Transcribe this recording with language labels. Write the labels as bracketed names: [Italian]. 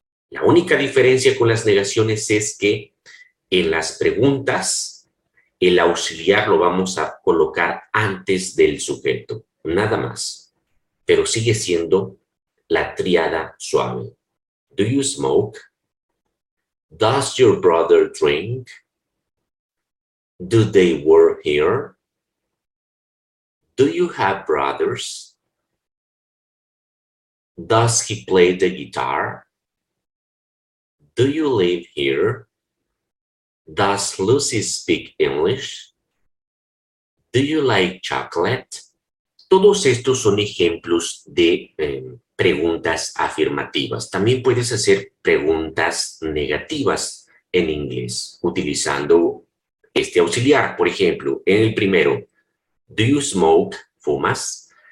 [Spanish] La única diferencia con las negaciones es que en las preguntas el auxiliar lo vamos a colocar antes del sujeto, nada más. Pero sigue siendo la tríada suave. [English] Do you smoke? Does your brother drink? Do they work here? Do you have brothers? Does he play the guitar? Do you live here? Does Lucy speak English? Do you like chocolate? [Spanish] Todos estos son ejemplos de preguntas afirmativas. También puedes hacer preguntas negativas en inglés utilizando este auxiliar. Por ejemplo, en el primero, [English] do you smoke, [Spanish] fumas?